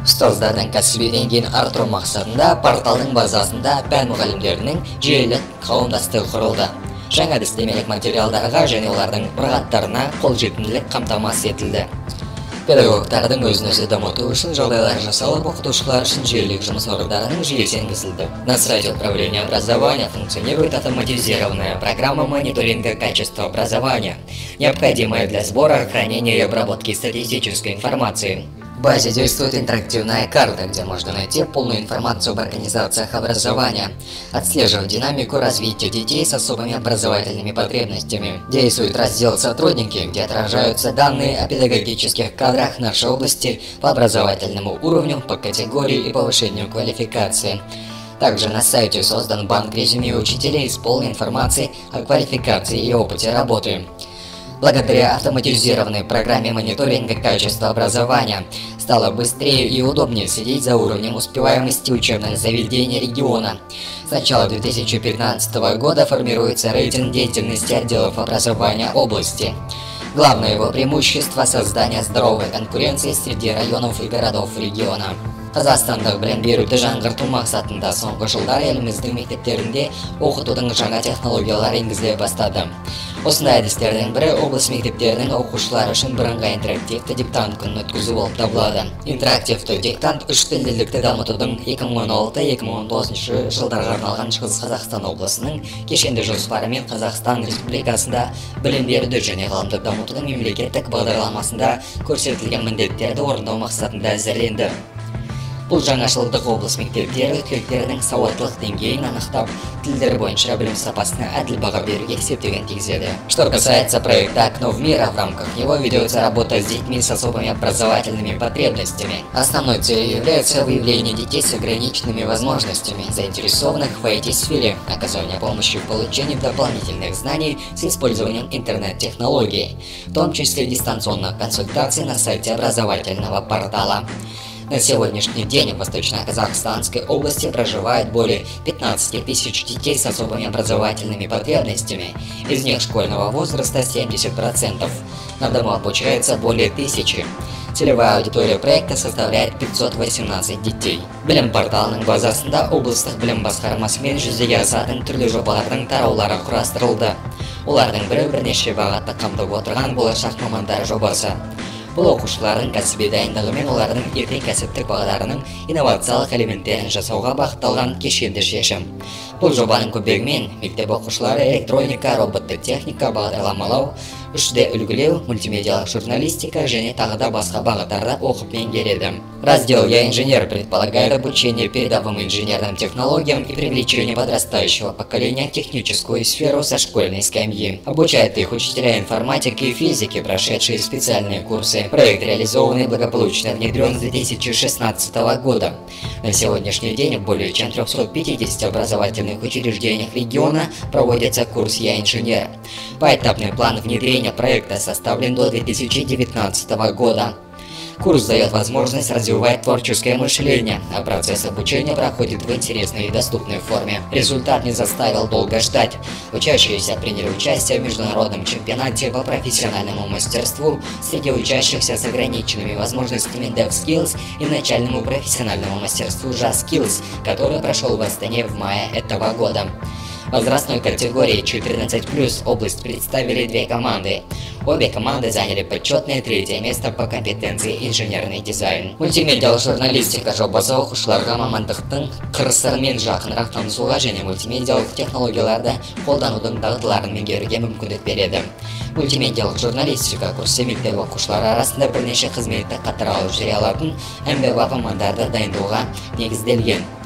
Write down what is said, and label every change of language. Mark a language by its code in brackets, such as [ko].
[kk] Ұстаздардың кәсіби деңгейін арттыру мақсатында порталдың базасында пән мұғалімдерінің жүйелі қауымдастығы құрылды. Жаңа әдістемелік материалдарға және олардың мұрағаттарына қол жетімділік қамтамасыз етілді. Педагогтардың өзін-өзі дамыту үшін жағдайлар жасалып, оқытушылар үшін жүйелік жұмыс орындарының жүйесі енгізілді. [ru] Насрайте управление образования функционирует автоматизированная программа мониторинга качества образования, необходимая для сбора, хранения и обработки статистической информации. В базе действует интерактивная карта, где можно найти полную информацию об организациях образования, отслеживая динамику развития детей с особыми образовательными потребностями. Действует раздел «Сотрудники», где отражаются данные о педагогических кадрах нашей области по образовательному уровню, по категории и повышению квалификации. Также на сайте создан банк резюме учителей с полной информацией о квалификации и опыте работы. Благодаря автоматизированной программе мониторинга качества образования стало быстрее и удобнее следить за уровнем успеваемости учебных заведений региона. С начала 2015 года формируется рейтинг деятельности отделов образования области. Главное его преимущество – создание здоровой конкуренции среди районов и городов региона. [kk] Қазақстандық білім беруді жаңғырту мақсатында соңғы жылдар еліміздің мектептерінде оқытудың жаңа технологиялары енгізіле бастады. Осындай әдістердің бірі облыс мектептерінің оқушылары үшін бірыңғай интерактивті диктант күнін өткізу болып табылады. Интерактивті диктант үш тілділікті дамытудың 2016-2019 жылдарға арналған Шығыс Қазақстан облысының кешенді жоспары мен Қазақстан Республикасында білім беруді және ғылымды дамытудың мемлекеттік бағдарламасында көрсетілген міндеттерді орындау мақсатында әзірленді. Бұл жаңашылдық облыс мектептері түлектерінің сауаттылық деңгейін анықтап, тілдер бойынша білім сапасына әділ баға беруге септігін тигізеді. [ru] Что касается проекта «Окно в мир», в рамках него ведется работа с детьми с особыми образовательными потребностями. Основной целью является выявление детей с ограниченными возможностями, заинтересованных в IT-сфере, оказание помощи в получении дополнительных знаний с использованием интернет-технологий, в том числе дистанционных консультаций на сайте образовательного портала. На сегодняшний день в Восточно-Казахстанской области проживает более 15 тысяч детей с особыми образовательными потребностями. Из них школьного возраста 70%. На дому обучается более 1000. Целевая аудитория проекта составляет 518 детей. Білім порталының базасында облыстық білім басқармасымен жүзеге асатын түрлі жобалардың тараулары құрастырылды. Олардың бірі бірнеше бағытты қамтып отырған болашақ мамандар жобасы. Бұл оқушылардың кәсіби дайындығы мен олардың ертең кәсіптік бағдарының инновациялық элементтерін жасауға бағытталған кешенді шешім. Бұл жобаның көмегімен мектеп оқушылары электроника, роботты техника, бағдарламалау, 3D үлгілеу, мультимедиалық журналистика және тағы да басқа бағыттарда оқып меңгереді. Раздел «Я инженер» предполагает обучение передовым инженерным технологиям и привлечение подрастающего поколения в техническую сферу со школьной скамьи. Обучает их учителя информатики и физики, прошедшие специальные курсы. Проект реализован и благополучно внедрен с 2016 года. На сегодняшний день в более чем 350 образовательных учреждениях региона проводится курс «Я инженер». Поэтапный план внедрения проекта составлен до 2019 года. Курс дает возможность развивать творческое мышление, а процесс обучения проходит в интересной и доступной форме. Результат не заставил долго ждать. Учащиеся приняли участие в международном чемпионате по профессиональному мастерству среди учащихся с ограниченными возможностями DevSkills и начальному профессиональному мастерству JazzSkills, который прошел в Астане в мае этого года. Возрастной категории 14+, область представили две команды. Обе команды заняли почетное третье место по компетенции инженерный дизайн. [kk] Мультимедиал журналистика Жобазоу Хушларга Мамандықтын Кырсырмен жақын рақтан суға және мультимедиалық технологияларды қолданудың дағдыларын мегеруге мүмкіндік береді. Мультимедиалық журналистика курсы мектеп оқушылары арасында бірнеше қызметті қатар алып жүре алатын әмбебап мамандарды дайындауға негізделген.